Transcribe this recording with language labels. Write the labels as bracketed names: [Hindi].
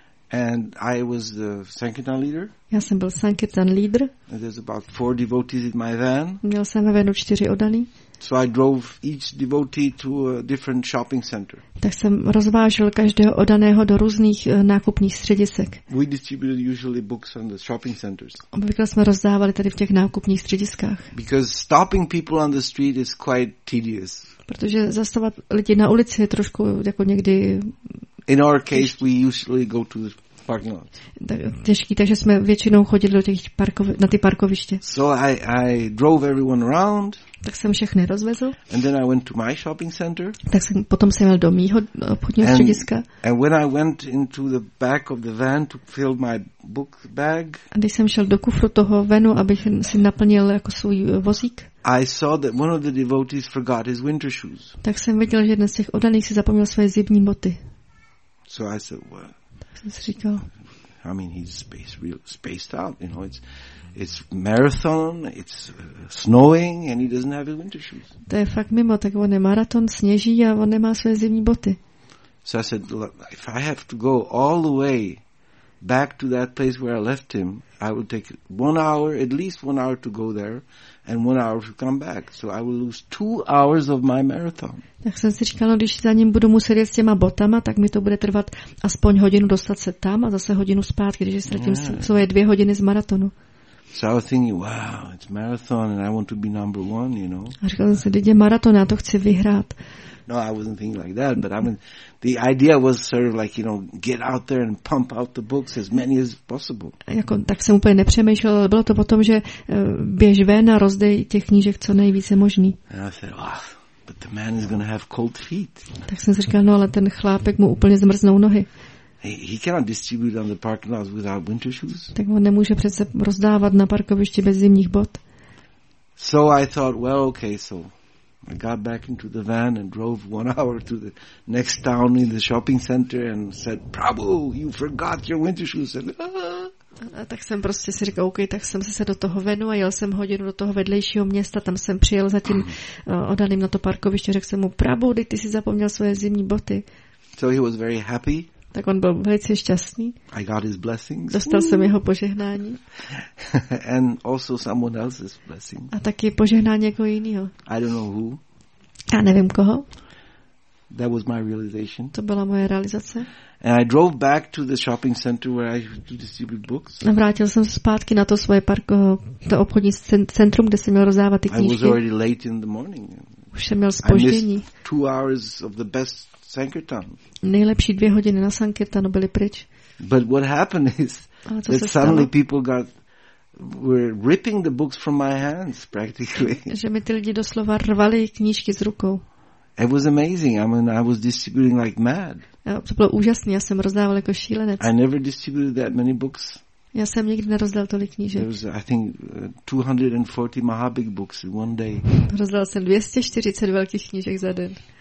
[English] And I was the Sankirtan leader. [Czech] Já jsem byl Sankirtan leader. [English] And there's about 4 devotees in my van. [Czech] Měl jsem ve vanu 4 oddaný. [English] So I drove each devotee to a different shopping center. [Czech] Tak jsem rozvážel každého oddaného do různých nákupních středisek. [English] We distributed usually books on the shopping centers. [Czech] Obvykle jsme rozdávali tady v těch nákupních střediskách. [English] Because stopping people on the street is quite tedious. [Czech] Protože zastavovat lidi na ulici je trošku jako někdy. [English] In our case, we usually go to fuck not. [Czech] Těžký, takže jsme většinou chodili do těch na ty parkoviště. [English] So I drove everyone around. [Czech] Tak jsem všechny rozvezl. [English] And then I went to my shopping center. [Czech] Tak jsem potom jsem jel do mýho obchodního střediska. [English] And when I went into the back of the van to fill my book bag. [Czech] A když jsem šel do kufru toho venu, abych si naplnil jako svůj vozík. [English] I saw that one of the devotees forgot his winter shoes. [Czech] Tak jsem viděl, že jeden z těch oddaných si zapomněl své zimní boty. [English] So I said, well, [Czech] tak jsem si říkal, [English] I mean, he's spaced out, you know, it's marathon, it's snowing, and he doesn't have his winter shoes. [Czech] To je fakt mimo, tak on je maraton, sněží a on nemá své zimní boty. [English] So I said, look, if I have to go all the way back to that place where I left him, I will take 1 hour, at least 1 hour to go there, and 1 hour to come back. So I will lose 2 hours of my marathon. [Czech] Tak jsem si říkal, no, když za ním budu muset jet s těma botama, tak mi to bude trvat aspoň hodinu dostat se tam a zase hodinu zpátky, když ztratím svoje 2 hodiny z maratonu. [English] So I was thinking, wow, it's marathon and I want to be number one, you know. [Czech] A říkal jsem si, teď je maraton, já to chci vyhrát. [English] No, I wasn't thinking like that, but I mean, the idea was sort of like, you know, get out there and pump out the books as many as possible. [Czech] Jako, tak jsem úplně nepřemýšlel, ale bylo to potom, že běž ven a rozdej těch knížek co nejvíce možný. [English] And I said, oh, but the man is going to have cold feet. [Czech] Tak jsem si říkal, no, ale ten chlápek mu úplně zmrznou nohy. [English] He cannot distribute on the parking lot without winter shoes. [Czech] Tak on nemůže přece rozdávat na parkovišti bez zimních bot. [English] So I thought, well, okay, so I got back into the van and drove 1 hour to the next town in the shopping center and said, Prabhu, you forgot your winter shoes. And, [Czech] A tak jsem prostě si říkal, okay, tak jsem se do toho venu a jel jsem hodinu do toho vedlejšího města, tam jsem přijel za tím oddaným na to parkoviště, řekl jsem mu, Prabhu, dej, ty si zapomněl svoje zimní boty. [English] So he was very happy. [Czech] Tak on byl velice šťastný. [English] I got his blessings. [Czech] Dostal jsem jeho požehnání. [English] And also someone else's blessing. [Czech] A taky požehnání někoho jiného. [English] I don't know who. [Czech] Já nevím koho. [English] That was my realization. [Czech] To byla moje realizace. [English] And I drove back to the shopping center where I used to distribute books. [Czech] A vrátil jsem se zpátky na to svoje to obchodní centrum, kde jsem měl rozdávat ty knížky. [English] I was already late in the morning. [Czech] Už jsem měl zpoždění. [English] 2 hours of the best Sankirtan. [Czech] Nejlepší 2 hodiny na Sankirtanu byly pryč. [English] But what happened is that suddenly people were ripping the books from my hands practically. [Czech] Že mi ty lidi doslova rvali knížky z rukou. [English] It was amazing. I mean, I was distributing like mad. [Czech] To bylo úžasné. Já jsem rozdával jako šílenec. [English] I never distributed that many books. [Czech] Já jsem nikdy nerozdal tolik knížek. [English] There was, I think, 240 Mahabik books in one day. [Czech] Rozdal jsem 240 velkých knížek za den.